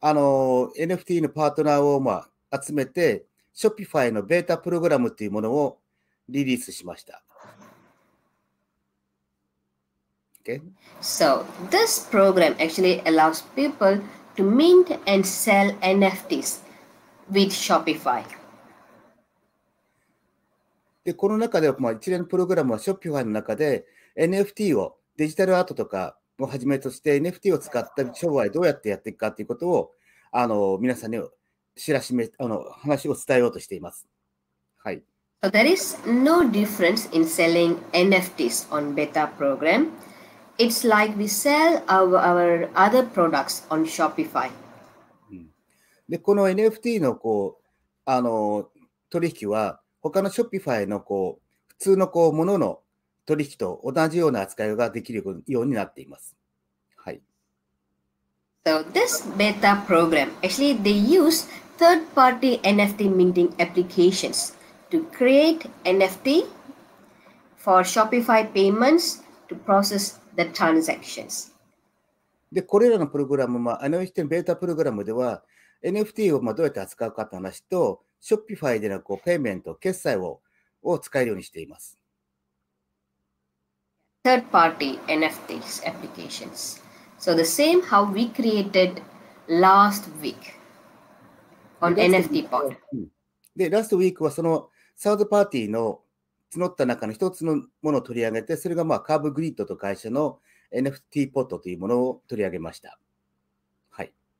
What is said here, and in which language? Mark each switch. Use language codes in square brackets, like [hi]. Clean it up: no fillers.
[ja] あの NFT のパートナーを、まあ、集めて Shopify のベータプログラムというものをリリースしました。 [en] Okay. So this program actually allows people to mint and sell NFTs with Shopify. [ja] でこの中で、まあ、一連のプログラムは Shopify の中で NFT をデジタルアートとかをはじめとして NFT を使った商売どうやってやっていくかということをあの皆さんに知らしめあの話を伝えようとしています。はい。 [en] So there is no difference in selling NFTs on beta program. It's like we sell our other products on Shopify. [ja] でこの NFT のこうあの取引は他の Shopify のこう普通のこうものの取引と同じような扱いができるようになっています。はい。 [en] So this beta program, actually they use third-party NFT minting applications to create NFT for Shopify payments to process the transactions. [ja] で、これらのプログラム、まあ、NFT のベータプログラムでは、NFT をまあどうやって扱うかという話と、Shopify でのこうペイメント、決済 を使えるようにしています。 [en] Third-party NFT applications. So the same how we created last week on NFT pod. [ja] で、 [en] last week [ja] はその third party の募った中の一つのものを取り上げて、それがまあカーブグリッドと会社の NFT ポッドというものを取り上げました。はい。